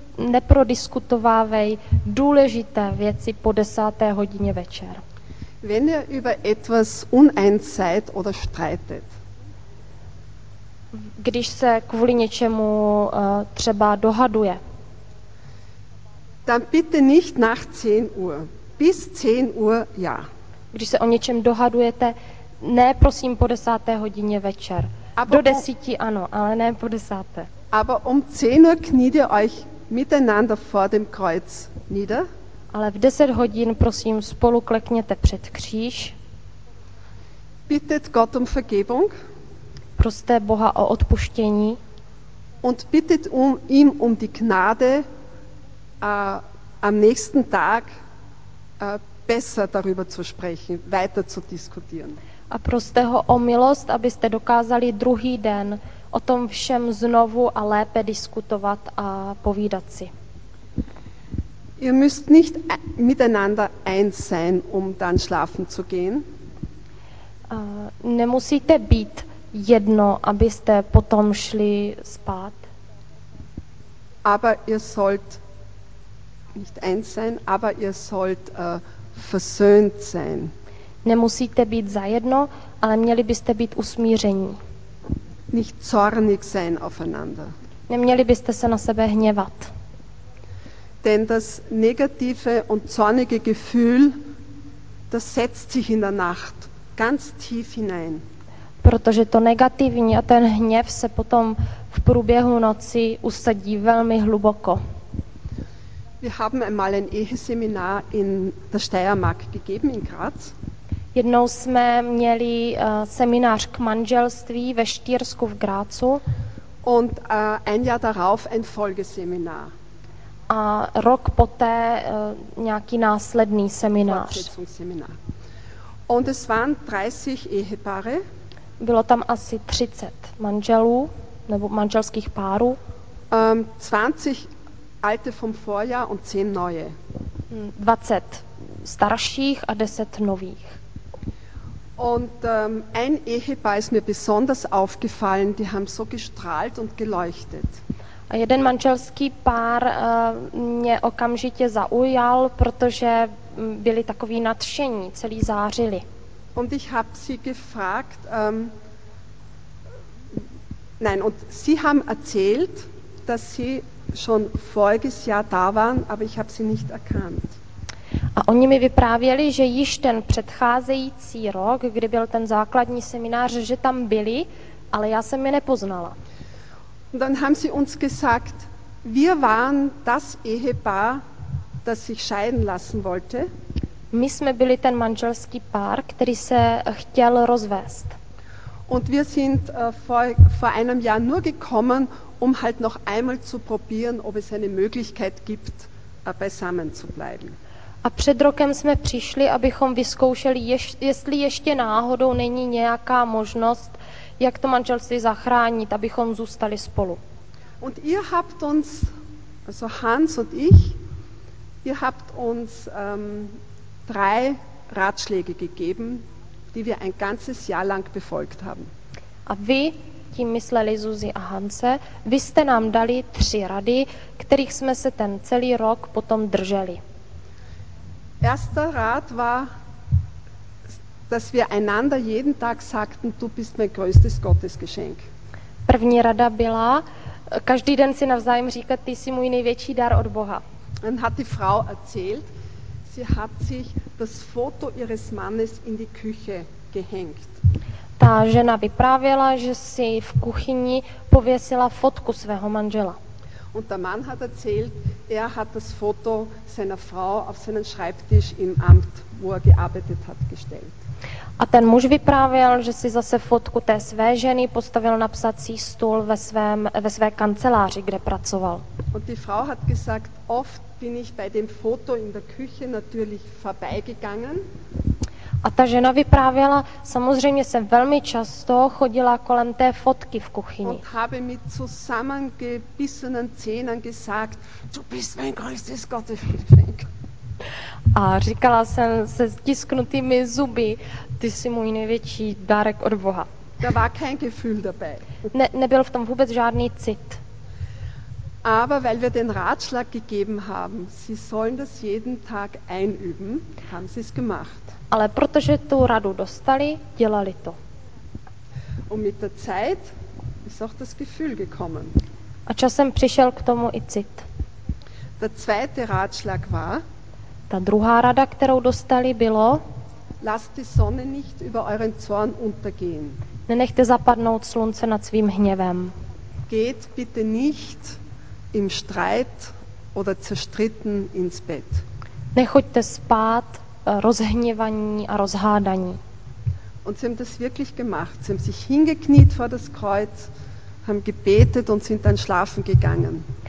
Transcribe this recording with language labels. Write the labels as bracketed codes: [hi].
[cs] Neprodiskutovávej důležité věci po 10. hodině večer. [de] Wenn ihr über etwas uneins seid oder streitet. [cs] Když se kvůli něčemu třeba dohaduje. [de] Dann bitte nicht nach 10 Uhr. Bis 10 Uhr ja. [cs] Když se o něčem dohadujete, ne prosím po 10. hodině večer. [de] Aber [cs] do 10. ano, ale ne po 10. [de] Aber um 10 Uhr kniet ihr euch miteinander vor dem Kreuz nieder. [cs] Ale v 10 hodin prosím spolu klekněte před kříž. [de] Bittet Gott um Vergebung. [cs] Proste Boha o odpuštění. [de] Und bittet ihm um die Gnade am nächsten Tag besser darüber zu sprechen, weiter zu diskutieren. [cs] A proste ho o milost, abyste dokázali druhý den o tom všem znovu a lépe diskutovat a povídat si. [de] Ihr müsst nicht miteinander eins sein, um dann schlafen zu gehen. [cs] Nemusíte být jedno, abyste potom šli spát. [de] Aber ihr sollt nicht eins sein, aber ihr sollt versöhnt sein. [cs] Nemusíte být zajedno, ale měli byste být usmíření. [de] Nicht zornig sein aufeinander. [cs] Neměli byste se na sebe hněvat. [de] Denn das negative und zornige Gefühl, das setzt sich in der Nacht ganz tief hinein. [cs] Protože to negativní a ten hněv se potom v průběhu noci usadí velmi hluboko. [de] Wir haben einmal ein Eheseminar in der Steiermark gegeben in Graz. [cs] Jednou jsme měli seminář k manželství ve Štýrsku v Grazu. [de] Und ein Jahr darauf ein Folgeseminar. [cs] A rok poté nějaký následný seminář. [de] Und es waren 30 Ehepaare. [cs] Bylo tam asi 30 manželů nebo manželských párů. [de] 20 alte vom Vorjahr und 10 neue. [cs] 20 starších a 10 nových. [de] Und ein Ehepaar ist mir besonders aufgefallen, die haben so gestrahlt und geleuchtet. [cs] A jeden manželský pár mě okamžitě zaujal, protože byli takový nadšení, celý zářili. [de] Und ich habe sie gefragt, nein, und sie haben erzählt, dass sie schon voriges Jahr da waren, aber ich habe sie nicht erkannt. [cs] A oni mi vyprávěli, že již ten předcházející rok, kdy byl ten základní seminář, že tam byli, ale já jsem je nepoznala. [de] Und dann haben sie uns gesagt, wir waren das Ehepaar, das sich scheiden lassen wollte. [cs] My jsme byli ten manželský pár, který se chtěl rozvést. [de] Und wir sind vor einem Jahr nur gekommen, um halt noch einmal zu probieren, ob es eine Möglichkeit gibt, beisammen zu bleiben. [cs] A před rokem jsme přišli, abychom vyzkoušeli, jestli ještě náhodou není nějaká možnost, jak to manželství zachránit, abychom zůstali spolu. [de] Und ihr habt uns, also Hans und ich, ihr habt uns drei Ratschläge gegeben, die wir ein ganzes Jahr lang befolgt haben. [cs] A vy, tím mysleli Zuzi a Hanse, vy jste nám dali tři rady, kterých jsme se ten celý rok potom drželi. [de] Erster Rat war, dass wir einander jeden Tag sagten, du bist mein größtes Gottesgeschenk. [cs] První rada byla, každý den si navzájem říkat, ty jsi můj největší dar od Boha. [de] Dann hat die Frau erzählt, sie hat sich das Foto ihres Mannes in die Küche gehängt. [cs] Ta žena vyprávěla, že si v kuchyni pověsila fotku svého manžela. [de] Und der Mann hat erzählt, er hat das Foto seiner Frau auf seinen Schreibtisch im Amt, wo er gearbeitet hat, gestellt. [cs] A ten muž vyprávěl, že si zase fotku té své ženy postavil na psací stůl ve své kanceláři, kde pracoval. [de] Und die Frau hat gesagt, oft bin ich bei dem Foto in der Küche natürlich vorbeigegangen. [cs] A ta žena vyprávěla, samozřejmě jsem velmi často chodila kolem té fotky v kuchyni. [de] Und habe mit zusammengebissenen Zähnen gesagt, du bist mein größtes Gotteslieferant. [cs] A říkala jsem se stisknutými zuby, ty jsi můj největší dárek od Boha. [de] Da war kein Gefühl dabei. [cs] Nebyl v tom vůbec žádný cit. [de] Aber weil wir den Ratschlag gegeben haben, sie sollen das jeden Tag einüben, haben sie es gemacht. [cs] Ale protože tu radu dostali, dělali to. [de] Und mit der Zeit ist auch das Gefühl gekommen. [cs] A časem přišel k tomu i cit. [de] Der zweite Ratschlag war, [cs] ta druhá rada, kterou dostali, bylo, [de] lasst die Sonne nicht über euren Zorn untergehen. [cs] Nenechte zapadnout slunce nad svým hněvem. [de] Geht bitte nicht im Streit oder zerstritten ins Bett. [cs] Nechoďte spát rozhněvaní a rozhádaní. [de] Und sie haben das wirklich gemacht. Sie haben sich hingekniet vor das Kreuz, haben gebetet und sind dann schlafen gegangen.